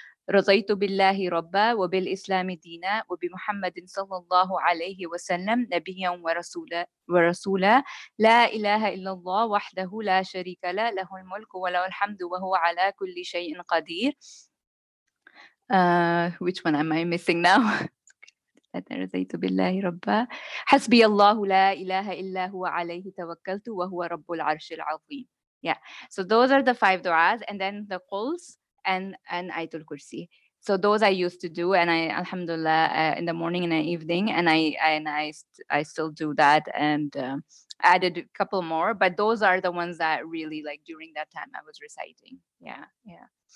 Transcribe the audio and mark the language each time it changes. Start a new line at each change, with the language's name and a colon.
Arabic: رضيت بالله ربا وبالإسلام دينا وبمحمد صلى الله عليه وسلم نبيا ورسولا لا إله إلا الله وحده لا شريك له له الملك وله الحمد وهو على كل شيء قدير.
English: Which one am I missing now?
Arabic: رضيت بالله ربا حسبي الله لا إله إلا هو عليه توكلت وهو رب العرش العظيم.
English: Yeah, so those are the five du'as, and then the quls and Ayatul Kursi. So those I used to do, and I, alhamdulillah, in the morning and the evening, and I still do that, and added a couple more, but those are the ones that really, like, during that time I was reciting. Yeah, yeah.